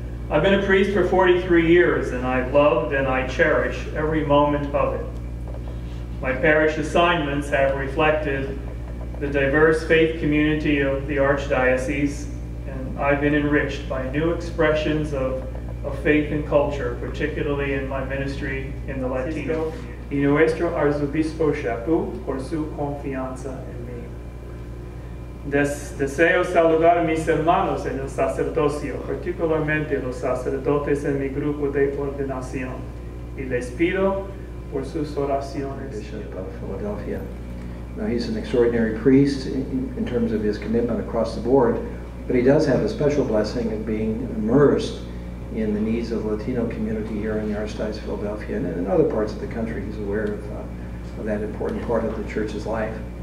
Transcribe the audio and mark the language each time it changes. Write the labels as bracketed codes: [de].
[en] I've been a priest for 43 years, and I've loved and I cherish every moment of it. My parish assignments have reflected the diverse faith community of the Archdiocese, and I've been enriched by new expressions of faith and culture, particularly in my ministry in the Latino. [es] Y nuestro arzobispo Chapu por su confianza en mí. Deseo saludar a mis hermanos en el sacerdocio, particularmente los sacerdotes en mi grupo de ordenación, y les pido por sus oraciones. [en] Bishop of Philadelphia. Now, he's an extraordinary priest in terms of his commitment across the board, but he does have a special blessing of being immersed in the needs of the Latino community here in the Archdiocese of Philadelphia and in other parts of the country. He's aware of that important part of the church's life.